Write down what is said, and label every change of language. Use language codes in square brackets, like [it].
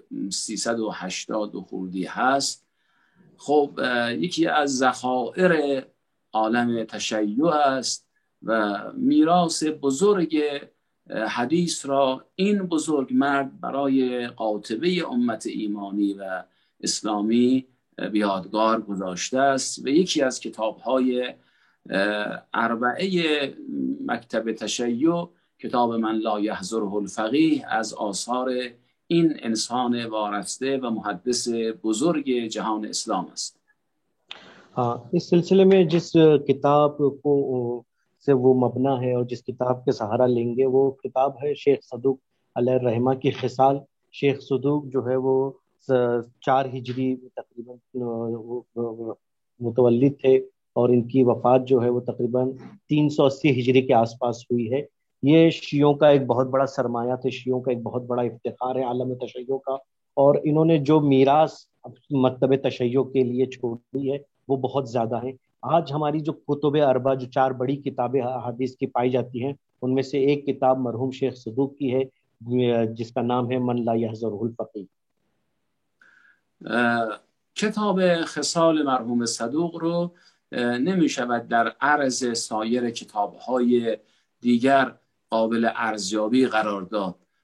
[fa] 380 خوردی هست، خب یکی از ذخایر عالم تشیع است و میراث بزرگ حدیث را این بزرگ مرد برای قاطبه امت ایمانی و اسلامی به یادگار گذاشته است و یکی از کتاب‌های اربعه مکتب تشیع کتاب من لا یحضره الفقیه از آثار این انسان وارسته و محدث بزرگ جهان اسلام است. [hi] हाँ, इस सिलसिले में जिस किताब को से वो मबना है और जिस किताब के सहारा लेंगे वो किताब है शेख सदूक अलैह रहमा की खिसाल। शेख सदूक जो है वो 4 हिजरी तकरीबन मुतवल्लिद थे और इनकी वफ़ात जो है वो तकरीबन 380 हिजरी के आसपास हुई है। ये शियों का एक बहुत बड़ा सरमाया थे, शियों का एक बहुत बड़ा इफ्तिखार है आलम तशैयों का, और इन्होंने जो मीरास मकतब तशैयों के लिए छोड़ी है वो बहुत ज्यादा है। आज हमारी जो कुतुबे अरबा, जो 4 बड़ी किताबें हदीस की पाई जाती हैं, उनमें से एक किताब मरहूम शेख सदूक की है जिसका नाम है मन ला यहज़ुरुल फकीह। [fa] کتاب خصال مرحوم صدوق رو نمی شود در عرض سایر کتاب های دیگر قابل ارزیابی قرار داد،